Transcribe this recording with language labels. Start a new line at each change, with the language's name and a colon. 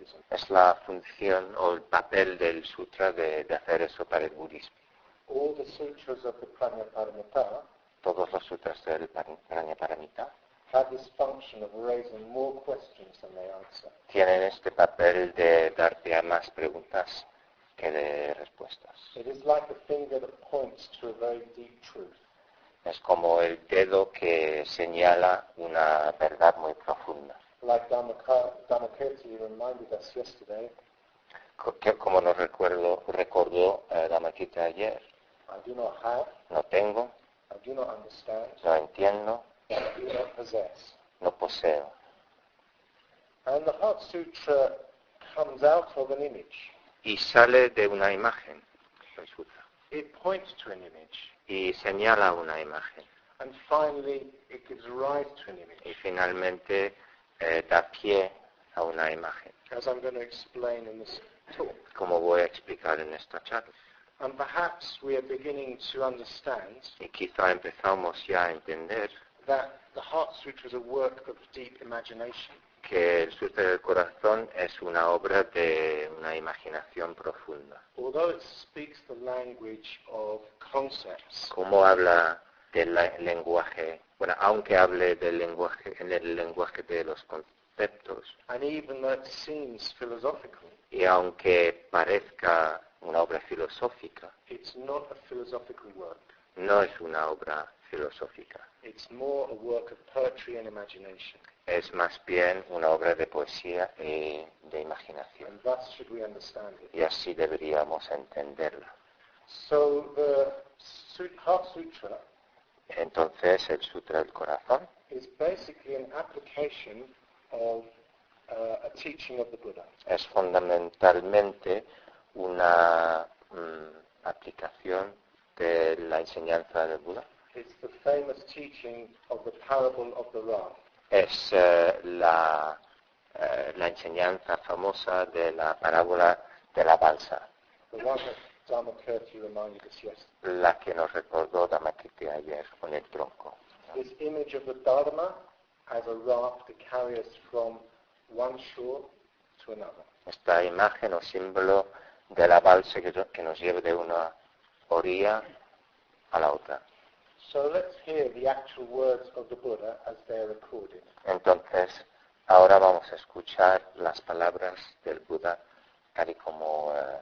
Spanish: Es la función o el papel del sutra de hacer eso para el budismo.
English: All the sutras of the Pranayaparamita,
Spanish: todos los sutras del Pranayaparamita,
English: have this function of raising more questions than they answer.
Spanish: Tienen este papel de darte a más preguntas que de respuestas.
English: It is like a finger that points to a very deep truth.
Spanish: Es como el dedo que señala una verdad muy profunda.
English: Like Dhammakirti reminded us yesterday.
Spanish: Como nos recordó Dhammakirti ayer.
English: I do not have.
Spanish: No tengo.
English: I do not understand.
Spanish: No entiendo.
English: I do not possess.
Spanish: No poseo.
English: And the Heart Sutra comes out of an image.
Spanish: Y sale de una imagen.
English: It points to an image.
Spanish: Y señala una imagen.
English: And finally, it gives rise to an image.
Spanish: Y finalmente da pie a una imagen.
English: As I'm going to explain in this talk.
Spanish: Como voy a explicar en esta charla.
English: And perhaps we are beginning to understand.
Spanish: Y quizá empezamos ya a entender.
English: That the Heart Sutra is a work of deep imagination.
Spanish: Que el Sutra del Corazón es una obra de una imaginación profunda.
English: Although it speaks the language of concepts.
Spanish: Como habla del lenguaje. Bueno, aunque hable del lenguaje, en el lenguaje de los conceptos,
English: and even though it seems philosophical,
Spanish: y aunque parezca una obra filosófica,
English: it's not a philosophical work.
Spanish: No es una obra filosófica.
English: It's more a work of poetry and imagination.
Spanish: Es más bien una obra de poesía y de imaginación.
English: And thus should we understand it.
Spanish: Y así deberíamos entenderla.
English: So the Heart Sutra.
Spanish: Entonces, el Sutra del Corazón
English: is basically an application of a teaching of the Buddha.
Spanish: Es fundamentalmente una aplicación de la enseñanza del Buda.
English: It's the famous teaching of the parable of the Ram.
Spanish: Es la enseñanza famosa de la parábola de la balsa.
English: Dhammakirti reminded us yesterday.
Spanish: La que nos recordó Dhammakirti ayer con el tronco.
English: This image of the Dharma as a raft to carry us from one shore to another.
Spanish: Esta imagen o símbolo de la balsa que nos lleva de una orilla a la otra.
English: So let's hear the actual words of the Buddha as they are recorded.
Spanish: Entonces, ahora vamos a escuchar las palabras del Buda tal y como